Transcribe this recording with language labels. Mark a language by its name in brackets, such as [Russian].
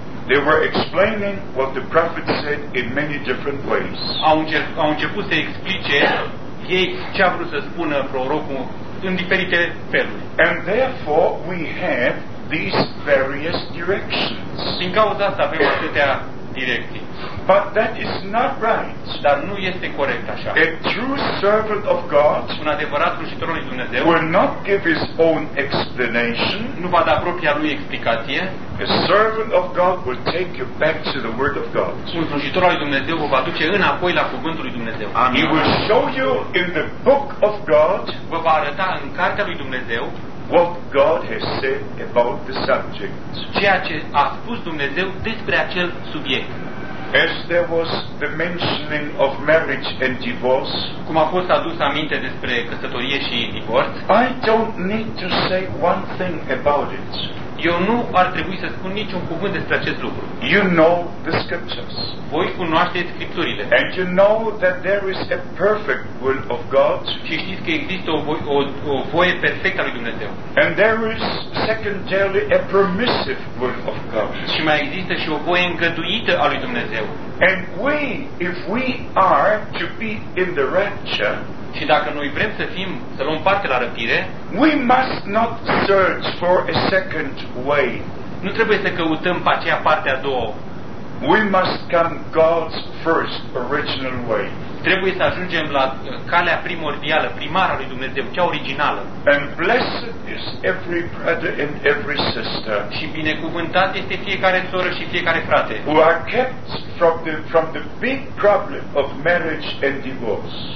[English] they were explaining what the prophet said in many different ways. [Romanian] Au început să explice ei ce a vrut să spună prorocul în diferite feluri. [English] And therefore we have these various directions. [Romanian] Din cauza asta avem atâtea direcții. [English] But that is not right. [Romanian] Dar nu este corect așa. [English] A true servant of God, [Romanian] un adevărat slujitor al lui Dumnezeu, [English] will not give his own explanation. [Romanian] Nu va da propria lui explicație. [English] A servant of God will take you back to the word of God. [Romanian] Un slujitor al lui Dumnezeu vă va duce înapoi la cuvântul lui Dumnezeu. [English] Amen. He will show you in the book of God. [Romanian] Vă va arăta în cartea lui Dumnezeu [English] what God has said about the subject. [Romanian] Ceea ce a spus Dumnezeu despre acel subiect. [English] As there was the mentioning of marriage and divorce, [Romanian] cum a fost adus aminte despre căsătorie și divorț, [English] I don't need to say one thing about it. [Romanian] Eu nu ar trebui să spun niciun cuvânt despre acest lucru. [English] You know the scriptures. [Romanian] Voi cunoașteți scripturile. [English] And you know that there is a perfect will of God. [Romanian] Și știți că există o voie perfectă a lui Dumnezeu. [English] And there is secondarily a permissive will of God. [Romanian] Și mai există și o voie îngăduită a lui Dumnezeu. [English] And we, if we are to be in the rapture, [Romanian] și dacă noi vrem să fim, să luăm parte la răpire, [English] we must not search for a second way. [Romanian] Nu trebuie să căutăm pe aceea parte a doua. [English] We must come God's first original way. [Romanian] Trebuie să ajungem la calea primordială, primară a lui Dumnezeu, cea originală. [English] And blessed is every brother and every sister. [Romanian] Și binecuvântat este fiecare soră și fiecare frate. [English] Who are kept from the big problem of marriage and divorce.